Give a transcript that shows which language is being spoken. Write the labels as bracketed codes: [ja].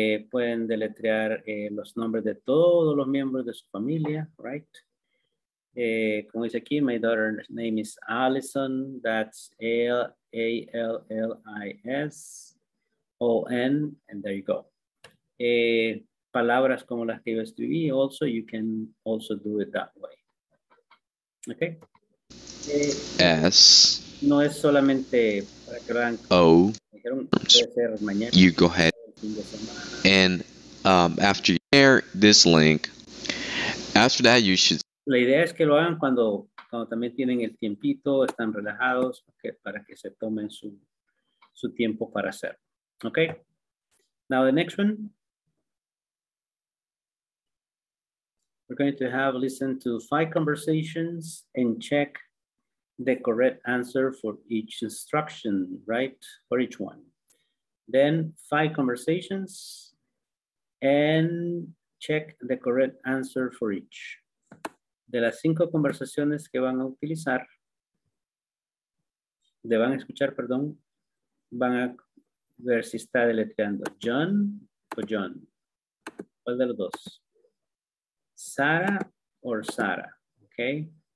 [es] Pueden deletrear los nombres de todos los miembros de su familia, [en] right? [es] Como dice aquí, [en] my daughter's name is Allison, that's A-L-L-I-S-O-N, and there you go. [es] Palabras como las que yo escribí, [en] also, you can also do it that way. Okay? S. [es] No es solamente para que lo hagan. O. Dijeron, puede ser mañana. [en] You go ahead. And after you share this link, after that you should. [es] La idea es que lo hagan cuando también tienen el tiempito, están relajados, okay, para que se tomen su tiempo para hacer. [en] Okay. Now the next one. We're going to have listen to 5 conversations and check the correct answer for each instruction, right? For each one. Then 5 conversations and check the correct answer for each. [es] De las 5 conversaciones que van a utilizar, de van a escuchar, perdón, van a ver si está deletreando John o John. ¿Cuál de los dos? Sara o Sara, ¿ok?